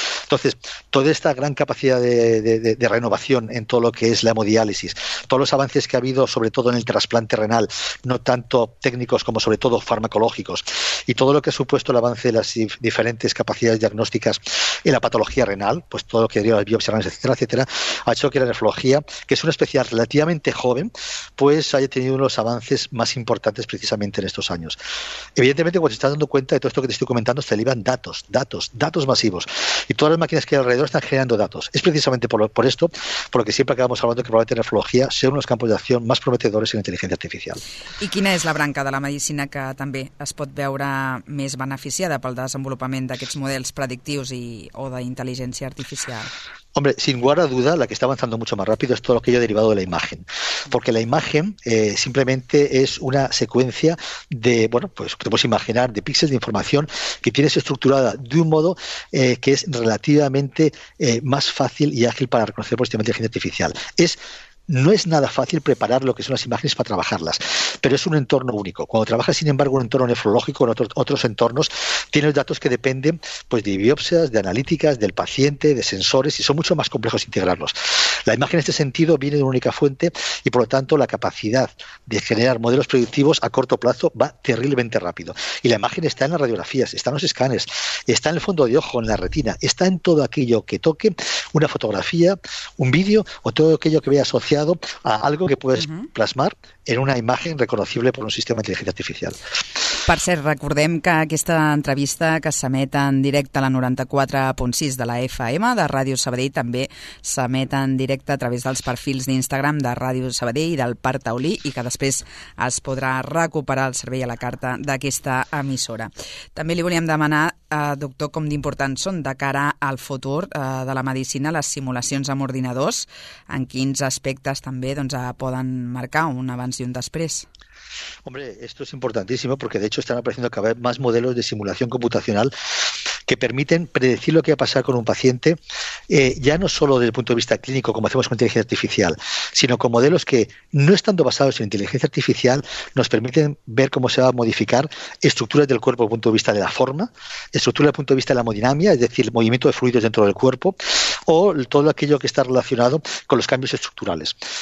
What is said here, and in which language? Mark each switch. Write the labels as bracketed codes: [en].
[es] Entonces, toda esta gran capacidad de renovación en todo lo que es la hemodiálisis, todos los avances que ha habido, sobre todo en el trasplante renal, no tanto técnicos como sobre todo farmacológicos, y todo lo que ha supuesto el avance de las diferentes capacidades diagnósticas en la patología renal, pues todo lo que deriva las biopsias renales, etcétera, etcétera, ha hecho que la nefrología, que es una especialidad relativamente joven, pues haya tenido uno de los avances más importantes precisamente en estos años. Evidentemente, cuando te estás dando cuenta de todo esto que te estoy comentando, se derivan datos masivos. Y todas las máquinas que hay alrededor están generando datos. Es precisamente por esto, por lo que siempre acabamos hablando que probablemente la nefrología sea uno de los campos de acción más prometedores en la inteligencia artificial. [ca] ¿Y quina és la branca de la medicina que també es pot veure més beneficiada pel desenvolupament d'aquests models predictius o d'intel·ligència artificial? [es] Hombre, sin lugar a duda, la que está avanzando mucho más rápido es todo lo que haya derivado de la imagen. Porque la imagen simplemente es una secuencia de, bueno, pues podemos imaginar, de píxeles de información que tienes estructurada de un modo que es relativamente más fácil y ágil para reconocer por el sistema de inteligencia artificial. No es nada fácil preparar lo que son las imágenes para trabajarlas, pero es un entorno único. Cuando trabajas, sin embargo, en un entorno nefrológico o en otros entornos, tienes datos que dependen pues, de biopsias, de analíticas, del paciente, de sensores, y son mucho más complejos integrarlos. La imagen en este sentido viene de una única fuente y, por lo tanto, la capacidad de generar modelos predictivos a corto plazo va terriblemente rápido. Y la imagen está en las radiografías, está en los escáneres, está en el fondo de ojo, en la retina, está en todo aquello que toque, una fotografía, un vídeo o todo aquello que vea asociado a algo que puedes plasmar en una imagen reconocible por un sistema de inteligencia artificial. [ca] Per cert, recordem que aquesta entrevista que s'emet en directe a la 94.6 de la FM de Ràdio Sabadell també s'emet en directe a través dels perfils d'Instagram de Ràdio Sabadell i del Parc Taulí i que després es podrà recuperar el servei a la carta d'aquesta emissora. També li volíem demanar, doctor, com d'importants són de cara al futur de la medicina les simulacions amb ordinadors, en quins aspectes també doncs, poden marcar un abans i un després. [es] Hombre, esto es importantísimo porque de hecho están apareciendo cada vez más modelos de simulación computacional que permiten predecir lo que va a pasar con un paciente, ya no solo desde el punto de vista clínico, como hacemos con inteligencia artificial, sino con modelos que, no estando basados en inteligencia artificial, nos permiten ver cómo se va a modificar estructuras del cuerpo desde el punto de vista de la forma, estructuras desde el punto de vista de la hemodinamia, es decir, el movimiento de fluidos dentro del cuerpo, o todo aquello que está relacionado con los cambios estructurales.